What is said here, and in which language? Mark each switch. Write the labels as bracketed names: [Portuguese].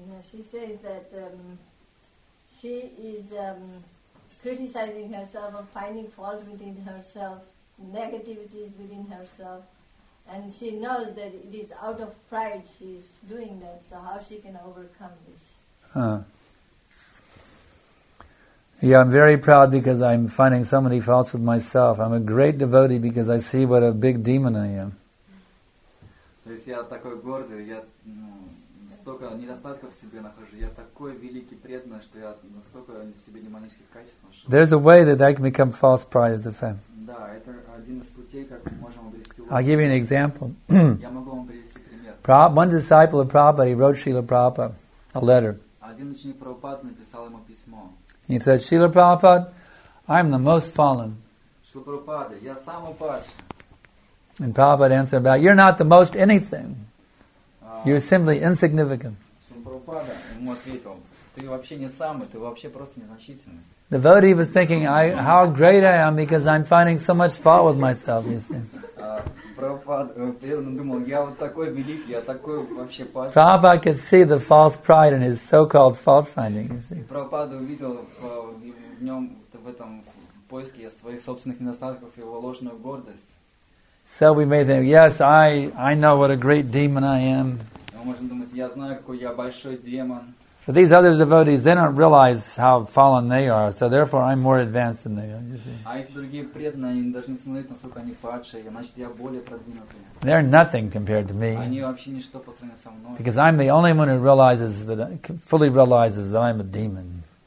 [English] She says that she is criticizing herself or finding fault within herself, negativities within herself, and she knows that it is out of pride she is doing that. So how she can overcome this? Yeah, I'm very proud because I'm finding so many faults with myself. I'm a great devotee because I see what a big demon I am. [Russian] То есть я такой гордый, я столько недостатков в себе нахожу, я такой великий преданный, что я настолько в себе демонических качеств нашел. [English] There's a way that I can become false pride as a fan. [Russian] Да, это один из путей, как мы можем обрести. [English] I'll give you an example. [Russian] Я могу вам привести пример. [English] One disciple of Prabhupada, he wrote Srila Prabhupada a letter. [Russian] Один ученик Прабхупады написал ему письмо. [English] He said, Srila Prabhupada, I'm the most fallen. [Russian] Srila Prabhupada, я самый падший. [English] And Prabhupada answered back, you're not the most anything. You're simply insignificant. [Russian] Srila Prabhupada ему ответил: ты вообще не самый, ты вообще просто незначительный. [English] The devotee was thinking, how great I am because I'm finding so much fault with myself, you see. Prabhupada could see the false pride in his so-called fault finding, you see. [Russian] Prabhupada увидел в нем, в этом поиске своих собственных недостатков, его ложную гордость. [English] So we may think, yes, I know what a great demon I am. [Russian] Мы можем думать, я знаю, какой я большой демон. [English] But these other devotees, they don't realize how fallen they are, so therefore I'm more advanced than they are, you see. They're nothing compared to me. Because I'm the only one who fully realizes that I'm a demon.